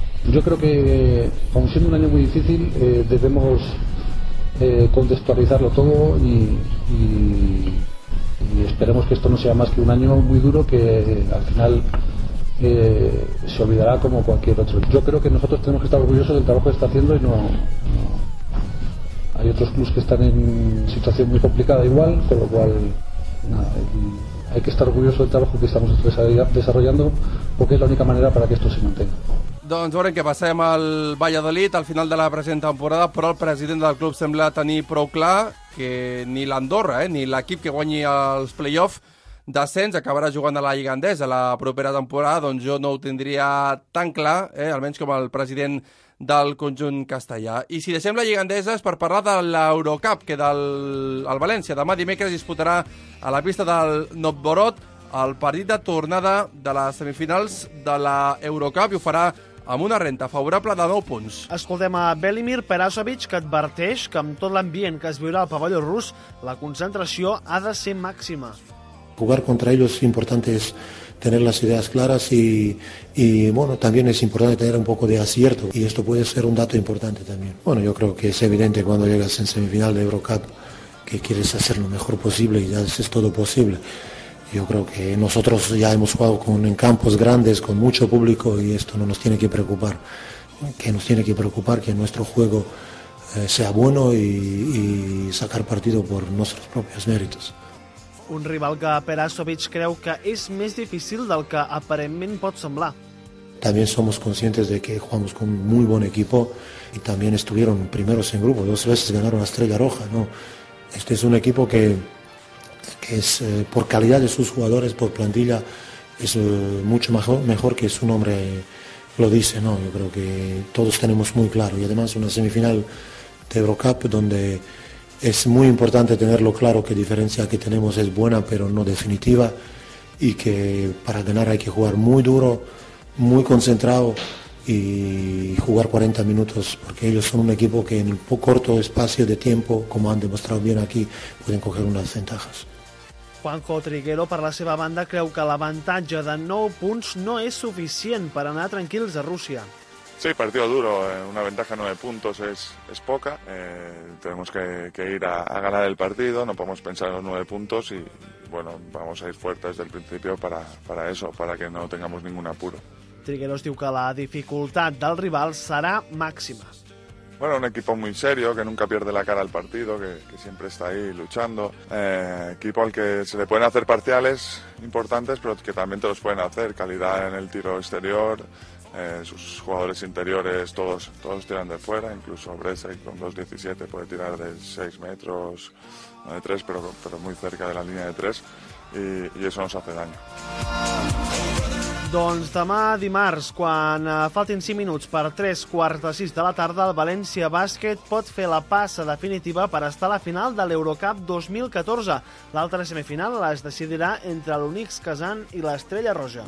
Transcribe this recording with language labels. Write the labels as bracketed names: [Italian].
[Spanish] Yo creo que, aun siendo un año muy difícil, debemos contextualizarlo todo y esperemos que esto no sea más que un año muy duro que al final se olvidará como cualquier otro. Yo creo que nosotros tenemos que estar orgullosos del trabajo que está haciendo y no hay otros clubs que están en situación muy complicada igual, con lo cual hay que estar orgulloso del trabajo que estamos desarrollando porque es la única manera para que esto se mantenga. [Catalan] Doncs veurem que passem al Valladolid al final de la present temporada, però el president del club sembla tenir prou clar que ni l'Andorra, ni l'equip que guanyi els play-offs d'ascens acabarà jugant a la Lliga Endesa la propera temporada, doncs jo no ho tindria tan clar, almenys com el president del conjunt castellà. I si deixem la Lliga Endesa és per parlar de l'Eurocup, que el València demà dimecres disputarà a la pista del Novgorod el partit de tornada de les semifinals de la Eurocup i ho farà amb una renta favorable de 9 punts. Escoltem a Velimir Perasovic, que adverteix que amb tot l'ambient que es viurà al pavelló rus, la concentració ha de ser màxima. [Spanish] Jugar contra ellos es importante, es tener las ideas claras y bueno, también es importante tener un poco de acierto y esto puede ser un dato importante también. Bueno, yo creo que es evidente cuando llegas en semifinal de Eurocup que quieres hacer lo mejor posible y haces todo posible. Yo creo que nosotros ya hemos jugado en campos grandes, con mucho público, y esto no nos tiene que preocupar. Que nos tiene que preocupar que nuestro juego sea bueno y sacar partido por nuestros propios méritos. [Catalan] Un rival que Perasovic creu que és més difícil del que aparentment pot semblar. [Spanish] También somos conscientes de que jugamos con un muy buen equipo y también estuvieron primeros en grupo, dos veces ganaron la Estrella Roja, ¿no? Este es un equipo que es, por calidad de sus jugadores, por plantilla, es mucho mejor que su nombre lo dice, ¿no? Yo creo que todos tenemos muy claro, y además una semifinal de Eurocup donde es muy importante tenerlo claro que la diferencia que tenemos es buena pero no definitiva, y que para ganar hay que jugar muy duro, muy concentrado y jugar 40 minutos, porque ellos son un equipo que en un poco corto espacio de tiempo, como han demostrado bien aquí, pueden coger unas ventajas. [Catalan] Juanjo Triguero, per la seva banda, creu que l'avantatge de 9 punts no és suficient per anar tranquils a Rússia. [Spanish] Sí, partido duro, una ventaja de 9 puntos es poca, tenemos que ir a ganar el partido, no podemos pensar en los 9 puntos y bueno, vamos a ir fuertes desde el principio para eso, para que no tengamos ningún apuro. [Catalan] Trigueros diu que la dificultat del rival serà màxima. [Spanish] Bueno, un equipo muy serio, que nunca pierde la cara al partido, que siempre está ahí luchando. Equipo al que se le pueden hacer parciales importantes, pero que también te los pueden hacer. Calidad en el tiro exterior, sus jugadores interiores, todos tiran de fuera. Incluso Bresek con 2'17 puede tirar de 6 metros, no de 3, pero muy cerca de la línea de 3. Y eso nos hace daño. [Catalan] Doncs demà dimarts, quan faltin 5 minuts per 3 quarts de 6 de la tarda, el València Bàsquet pot fer la passa definitiva per estar a la final de l'Eurocup 2014. L'altra semifinal es decidirà entre l'Unix Kazan i l'Estrella Roja.